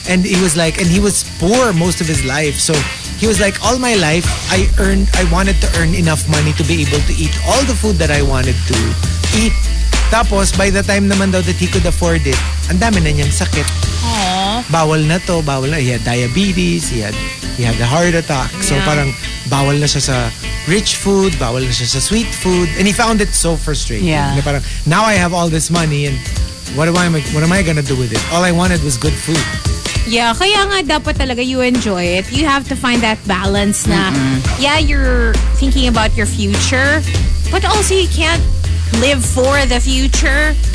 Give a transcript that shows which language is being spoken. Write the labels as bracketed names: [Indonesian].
[English] And he was like, and he was poor most of his life. So, he was like, all my life, I wanted to earn enough money to be able to eat all the food that I wanted to eat. [Filipino] Tapos, [English] by the time [Filipino] naman daw [English] that he could afford it, [Filipino] ang dami na niyang sakit. Bawal na. [English] He had diabetes. He had a heart attack. Yeah. [Filipino] So parang, bawal na siya sa rich food, bawal na siya sa sweet food. [English] And he found it so frustrating. Yeah. [Filipino] Na parang, [English] now I have all this money and what am I gonna do with it? All I wanted was good food. [Filipino] Yeah, kaya nga dapat talaga [English] you enjoy it. You have to find that balance na, yeah, you're thinking about your future, but also you can't live for the future.